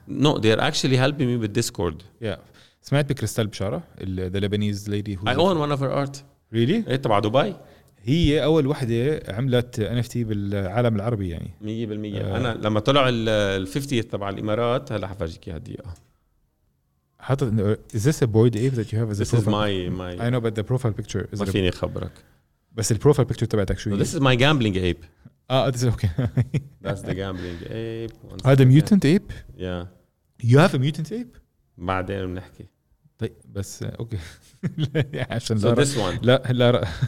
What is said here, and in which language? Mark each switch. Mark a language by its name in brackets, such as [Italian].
[English] No, they're actually helping me with Discord. Yeah. [Arabic] سمعت بكريستال بشارة. [English] The Lebanese lady. I own one of her art. Really? [Arabic] هي تبع دبي. هي اول وحدة عملت NFT بالعالم العربي يعني 100% انا لما طلع ال 50 تبع الامارات هلا حفرجيك اياها دقيقه حاطط [English] is this a board ape that you have as a this is my I know but the profile picture is [Arabic] ما فيني خبرك بس البروفايل بيكتشر تبعتك شو هي [English] this is my gambling ape this is okay that's the gambling ape [Arabic] هذا [English] mutant ape yeah you have a mutant ape [Arabic] بعدين بنحكي طيب بس اوكي عشان لا